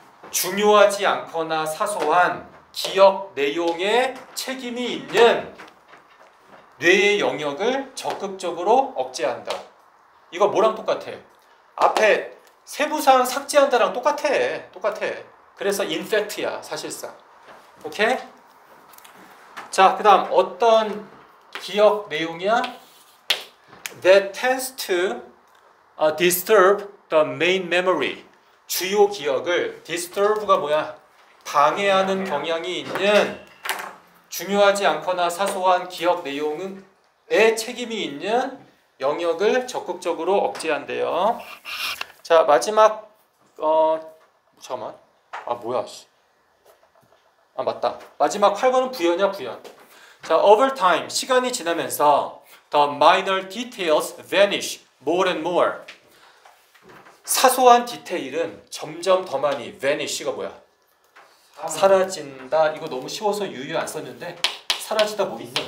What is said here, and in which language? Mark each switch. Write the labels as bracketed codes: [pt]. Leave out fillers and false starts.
[ko] 중요하지 않거나 사소한 기억 내용에 책임이 있는 뇌의 영역을 적극적으로 억제한다. 이거 뭐랑 똑같아? 앞에 세부사항 삭제한다랑 똑같아. 똑같아. 그래서 infect야 사실상. 오케이? 자, 그 다음 어떤 기억 내용이야? [en] That tends to disturb the main memory. [ko] 주요 기억을 disturb가 뭐야? 방해하는 경향이 있는 중요하지 않거나 사소한 기억 내용에 책임이 있는 영역을 적극적으로 억제한대요. 자 마지막 잠깐만 아 뭐야 씨 아 맞다 마지막 8번은 부연이야 부연. [en] 자 over time [ko] 시간이 지나면서 [en] the minor details vanish more and more. [ko] 사소한 디테일은 점점 더 많이 vanish가 뭐야? 사라진다. 이거 너무 쉬워서 유유 안 썼는데 사라지다 뭐 있어?